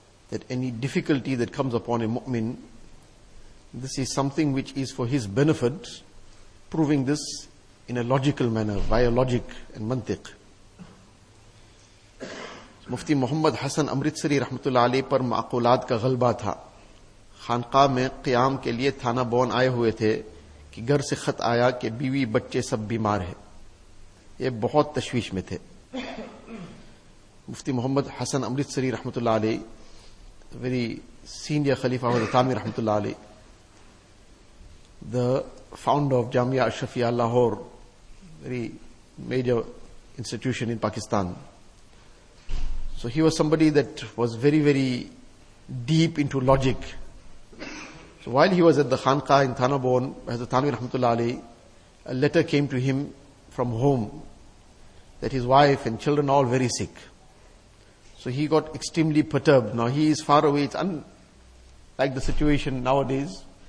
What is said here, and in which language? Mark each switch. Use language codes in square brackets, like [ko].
[en] That any difficulty that comes upon a Mu'min, this is something which is for his benefit, proving this in a logical manner, via logic and mantiq. [ur] مفتی محمد حسن امرتسری رحمت اللہ علیہ پر معقولات کا غلبہ تھا خانقاہ میں قیام کے لیے تھانہ بون آئے ہوئے تھے کہ گھر سے خط آیا کہ بیوی بچے سب بیمار ہیں یہ بہت تشویش میں تھے مفتی محمد حسن امرتسری رحمت اللہ علیہ [en] very senior [ur] خلیفہ حضرت عامی رحمت اللہ علیہ [en] The founder of Jamia Ashrafia Lahore very major institution in Pakistan So he was somebody that was very, very deep into logic. So while he was at the Khanqa in Thanabon, Hazrat Thanvi Rahmatullah Ali, a letter came to him from home that his wife and children are all very sick. So he got extremely perturbed. Now he is far away. It's unlike the situation nowadays.